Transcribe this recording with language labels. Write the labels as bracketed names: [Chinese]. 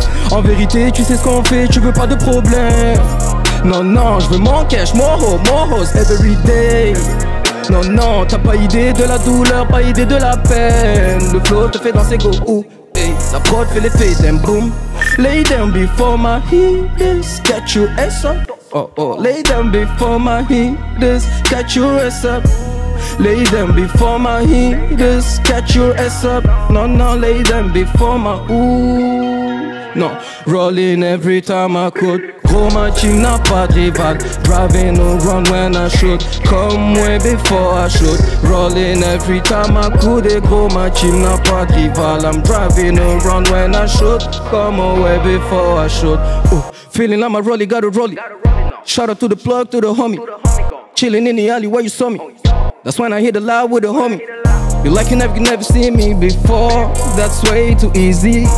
[French] En vérité, tu sais ce qu'on fait, tu veux pas de problème. Non, non, je veux mon cash, [English] more hoes, every day. [French] Non, non, t'as pas idée de la douleur, pas idée de la peine. Le flow te fait danser go, ou hey, la prod fait l'effet d'un boom. [English] Lay down before my heels, catch your ass up. Oh oh, lay down before my heels, catch your ass up. Lay down before my heels, catch your ass up. No no, lay down before my ooh. No, rolling every time I could. [French] Gros, ma team n'a pas de rival. [English] Driving around when I shoot. Come way before I shoot. Rolling every time I could. [French] Et gros, ma team n'a pas de rival. [English] I'm driving around when I shoot. Come way before I shoot. Ooh. Feeling like my rollie, got a rollie. Shout out to the plug, to the homie. Chilling in the alley where you saw me. That's when I hit the loud with the homie. You like you never seen me before. That's way too easy.